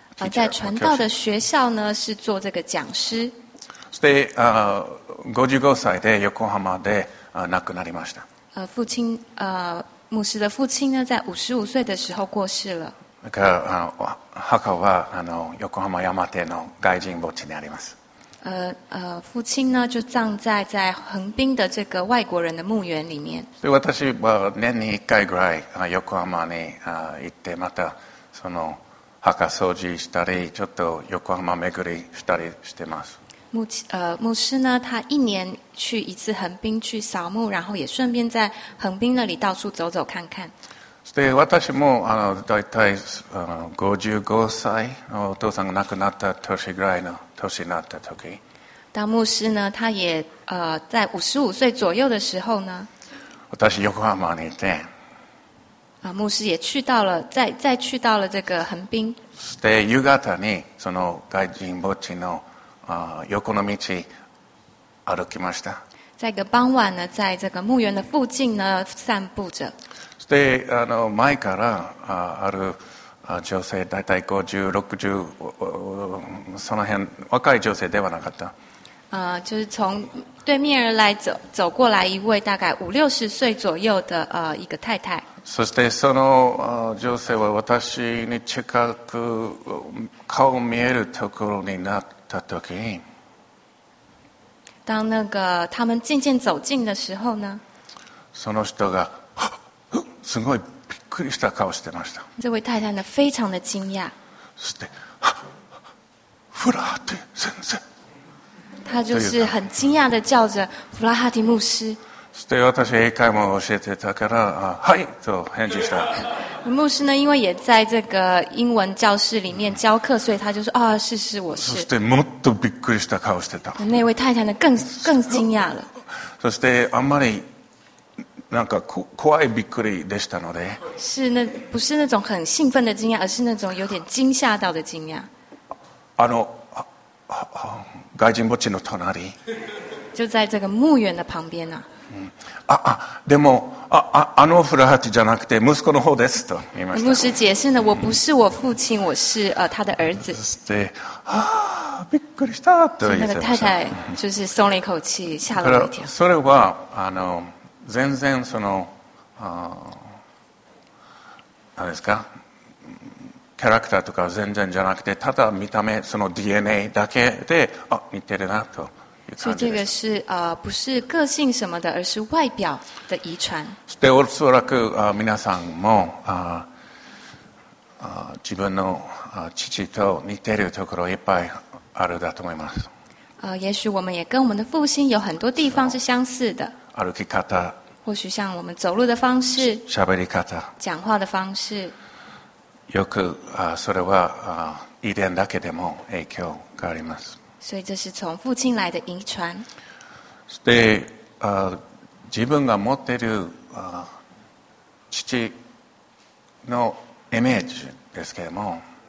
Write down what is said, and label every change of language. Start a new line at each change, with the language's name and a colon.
Chinese: 在传道的学校呢，是做这个讲师。
Japanese: で、55歳で横浜で亡くなりました。
Chinese: 父亲牧师的父亲呢，在55岁的时候过世了。
Japanese: だから墓は横浜山手の外人墓地にあります。
Chinese: 父亲呢就葬在横滨的这个外国人的墓园里面。
Japanese: で私は年に1回ぐらい横浜に行って、またその墓掃除したり、ちょっと横浜巡りしたりしてます。
Chinese: 牧师呢，他一年去一次横滨去扫墓，然后也顺便在横滨那里到处走走看看。
Japanese: で私もだいたい55歳、お父さんが亡くなった年ぐらいの年になった時。
Chinese: 当牧师呢，他也在55岁左右的时候呢。
Japanese: 私横浜にいて。
Chinese: 牧师也去到了，再去到了这个横滨。
Japanese: で夕方にその外人墓地の横の道歩きました。
Chinese: 在一个傍晚呢，在这个墓园的附近呢散步着。
Japanese: で前からある女性、大体50、60、その辺、若い女性ではなかった。
Chinese: 就是从对面而来走过来一位大概五六十岁左右的一个太太。
Japanese: そしてその女性は私に近く顔を見えるところになったとき、
Chinese: 当那个他们渐渐走近的时候呢，
Japanese: その人がすごいびっくりした顔してました。
Chinese: 这位太太呢非常的惊讶。
Japanese: そして、フラハティ先生。
Chinese: 他就是很惊讶的叫着弗拉哈提牧师。
Japanese: そして私英会話を教えてたから、あ、はいと返事した。
Chinese: 牧师呢，因为也在这个英文教室里面教课，所以他就说啊，是是，我是。
Japanese: そしてもっとびっくりした顔してた。
Chinese: 那位太太呢，更惊讶了。
Japanese: そしてあんまりなんか怖いびっくりでしたので。
Chinese: 是那不是那种很兴奋的惊讶，而是那种有点惊吓到的惊讶。
Japanese: あの外人墓地の隣。
Chinese: 就在这个墓园的旁边呢、啊。
Japanese: あでも あのフラハティじゃなくて息子の方ですと言いました。
Chinese: 牧师解释呢，我不是我父亲，我是他的儿子。
Japanese: そしてびっくりしたと言ってました。
Chinese: 那个太太就是松了一口气，吓了一跳。
Japanese: それはあの全然そのあ何ですか、キャラクターとか全然じゃなくて、ただ見た目その DNA だけで、あ似てるなと。
Chinese: 所以这个是不是个性什么的，而是外表的遗传。
Japanese: そしておそらく皆さんも自分の父と似てるところいっぱいあるだと思います。
Chinese: 也许我们也跟我们的父亲有很多地方是相似的。
Japanese: 歩き方。
Chinese: 或许像我们走路的方式。
Japanese: 喋り方。
Chinese: 讲话的方式。
Japanese: よくそれは遺伝だけでも影響があります。
Chinese: 所以这是从父亲来的遗传。
Japanese: で、自分が持っている父のイメージですけれども。